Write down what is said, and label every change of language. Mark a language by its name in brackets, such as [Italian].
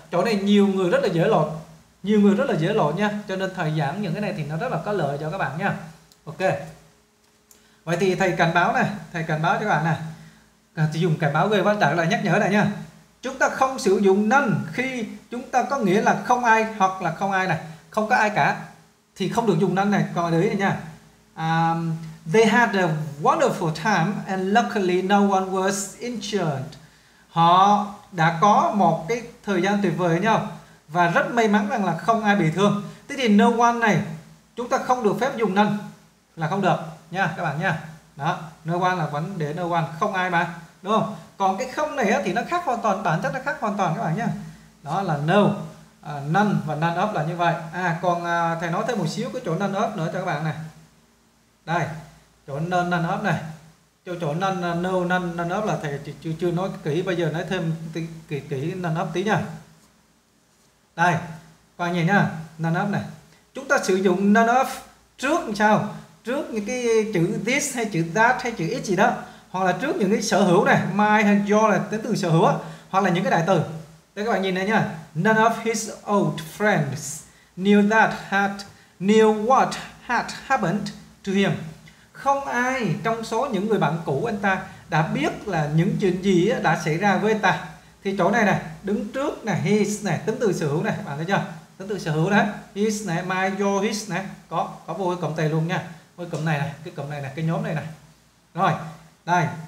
[Vietnamese] Chỗ này nhiều người rất là dễ lộn. Nhiều người rất là dễ lộn nha. Cho nên thầy giảng những cái này thì nó rất là có lợi cho các bạn nha. Ok. Vậy thì thầy cảnh báo này, thầy cảnh báo cho các bạn nè. Thì dùng cảnh báo gây văn đặc là nhắc nhở này nha. Chúng ta không sử dụng năng khi chúng ta có nghĩa là không ai hoặc là không ai này, không có ai cả. Thì không được dùng năng này, còn để ý này nha. [English] They had a wonderful time and luckily no one was injured. [Vietnamese] họ đã có một cái thời gian tuyệt vời với nhau và rất may mắn rằng là không ai bị thương. Thế thì no one này chúng ta không được phép dùng nâng, là không được nha các bạn nha. Đó, no one là vấn đề no one, không ai mà, đúng không? Còn cái không này thì nó khác hoàn toàn, bản chất nó khác hoàn toàn các bạn nhé. Đó là no, none và none of là như vậy. À còn thầy nói thêm một xíu cái chỗ none of nữa cho các bạn này. Đây, chỗ none of này. Chỗ none, no, none, none of là thầy chưa chưa nói kỹ, bây giờ nói thêm kỹ kỹ none of tí nha. Đây, các bạn nhìn nha, none of này. Chúng ta sử dụng none of trước làm sao? Trước những cái chữ this hay chữ that hay chữ it gì đó, hoặc là trước những cái sở hữu này, my hay your là tính từ sở hữu, hoặc là những cái đại từ. Đây các bạn nhìn này nha, [English] none of his old friends knew that had knew what had happened to him. [Vietnamese] Không ai trong số những người bạn cũ anh ta đã biết là những chuyện gì đã xảy ra với anh ta. Thì chỗ này này, đứng trước này, his này, tính từ sở hữu này, bạn thấy chưa? Tính từ sở hữu đấy, his này, my, your, his này, có vô cái cụm từ luôn nha. Vô cụm này này, cái cụm này này, cái nhóm này này. Rồi, đây.